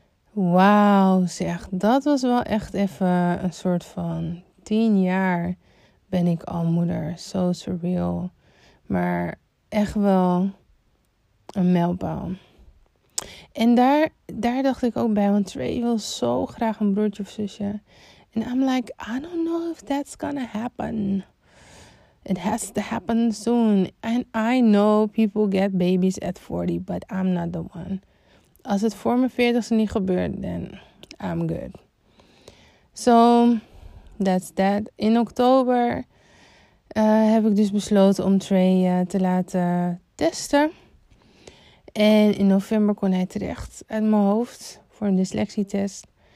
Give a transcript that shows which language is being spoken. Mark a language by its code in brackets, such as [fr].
[nl] Wauw, zeg. Dat was wel echt even een soort van 10 jaar ben ik al moeder. Zo surreal. Maar echt wel een mijlpaal. En daar dacht ik ook bij, want Trey wil zo graag een broertje of zusje. [en] En I'm like, I don't know if that's gonna happen. It has to happen soon. And I know people get babies at 40, but I'm not the one. [nl] Als het voor mijn 40ste niet gebeurt, [en] then I'm good. So, that's that. [nl] In oktober heb ik dus besloten om Trey te laten testen. En in november kon hij terecht uit mijn hoofd voor een dyslexietest.